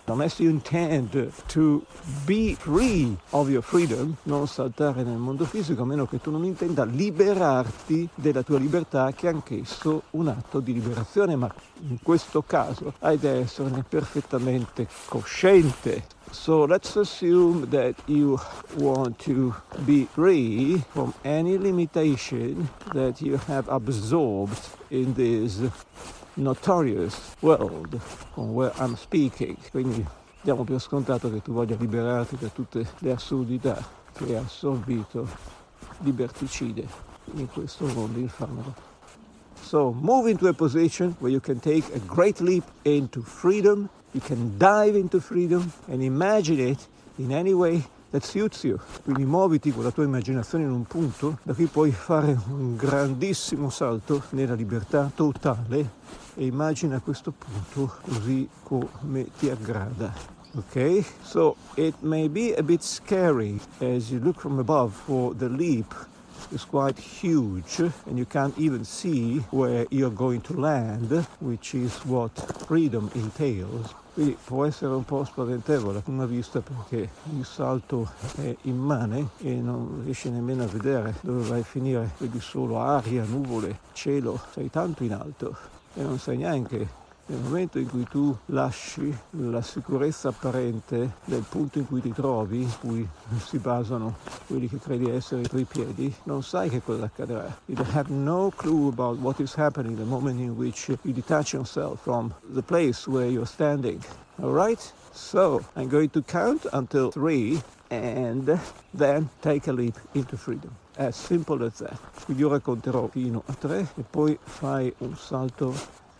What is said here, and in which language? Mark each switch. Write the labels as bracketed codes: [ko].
[en] Unless you intend to be free of your freedom, [it] non saltare nel mondo fisico, a meno che tu non intenda liberarti della tua libertà, che è anch'esso un atto di liberazione, ma in questo caso hai da esserne perfettamente cosciente. [en] So let's assume that you want to be free from any limitation that you have absorbed in this notorious world from where I'm speaking. [it] Quindi diamo per scontato che tu voglia liberarti da tutte le assurdità che hai assorbito liberticide in questo mondo infernale. [en] So move into a position where you can take a great leap into freedom. You can dive into freedom and imagine it in any way that suits you. [it] Quindi muoviti con la tua immaginazione in un punto da cui puoi fare un grandissimo salto nella libertà totale e immagina questo punto così come ti aggrada. [en] Okay, so it may be a bit scary as you look from above for the leap. It's quite huge and you can't even see where you're going to land, which is what freedom entails. [it] Quindi può essere un po' spaventevole una vista perché il salto è immane e non riesci nemmeno a vedere dove vai a finire. Vedi solo aria, nuvole, cielo, sei tanto in alto e non sai neanche nel momento in cui tu lasci la sicurezza apparente del punto in cui ti trovi, in cui si basano quelli che credi essere i tuoi piedi, non sai che cosa accadrà. [en] You have no clue about what is happening the moment in which you detach yourself from the place where you're standing. Alright? So, I'm going to count until 3 and then take a leap into freedom. As simple as that. [it] Quindi io racconterò fino a 3 e poi fai un salto.